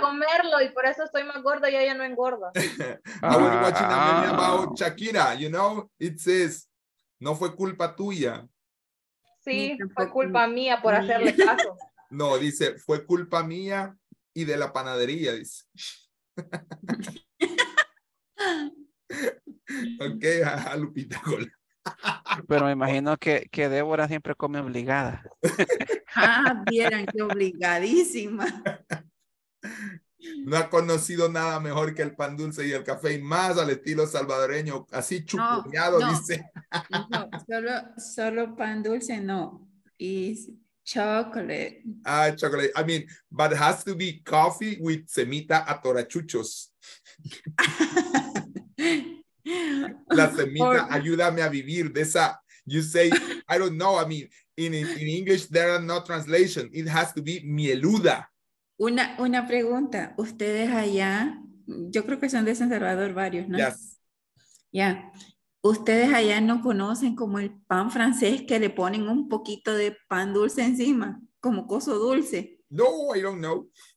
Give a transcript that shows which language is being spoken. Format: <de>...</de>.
<es>comerlo y por eso estoy más gorda y ella no engorda.</es> <en>I was watching a meme about Shakira, you know? It says</en> <es>no fue culpa tuya. Sí, fue culpa mía por hacerle caso. No, dice, fue culpa mía y de la panadería, dice. Ok, a Lupita Gola. Pero me imagino que Débora siempre come obligada. Ah, vieran qué obligadísima. No ha conocido nada mejor que el pan dulce y el café, y más al estilo salvadoreño, así chupuleado, no, dice. No, solo pan dulce, no.</es> <en>Is chocolate.</en> <es>Ah, chocolate.</es> <en>I mean, but it has to be coffee with semita atorachuchos.</en> <es>La semita, ayúdame a vivir, de esa,</es> <en>you say, I don't know, I mean, in English there are no translation, it has to be mieluda.</en> <es>Una pregunta, ustedes allá, yo creo que son de San Salvador varios, ¿no?</es> <en>Yes.</en> <es>Ya, ustedes allá no conocen como el pan francés que le ponen un poquito de pan dulce encima, como coso dulce.</es> <en>No, I don't know.</en>